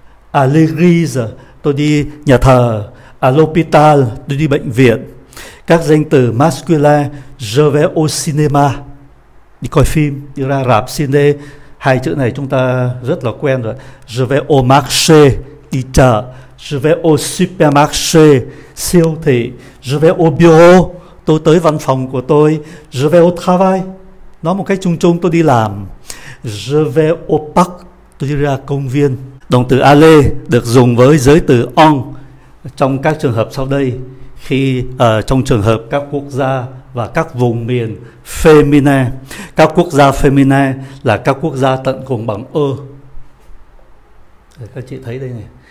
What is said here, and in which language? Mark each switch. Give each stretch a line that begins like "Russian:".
French: À l'église,
Vietnamese: tôi đi nhà thờ.
French: À l'hôpital,
Vietnamese: tôi đi bệnh viện. Các danh từ masculine,
French: je vais au cinéma.
Vietnamese: đi coi phim, đi ra rạp cine, hai chữ này chúng ta rất là quen rồi.
French: Je vais au marché,
Vietnamese: đi chợ.
French: Je vais au supermarché,
Vietnamese: siêu thị.
French: Je vais au bureau,
Vietnamese: tôi tới văn phòng của tôi.
French: Je vais au travail,
Vietnamese: nói một cách chung chung tôi đi làm.
French: Je vais au parc,
Vietnamese: tôi đi ra công viên. Động từ aller được dùng với giới từ on trong các trường hợp sau đây. Khi trong trường hợp các quốc gia và các vùng miền féminin, các quốc gia féminin là các quốc gia tận cùng bằng ơ. Các chị thấy đây này.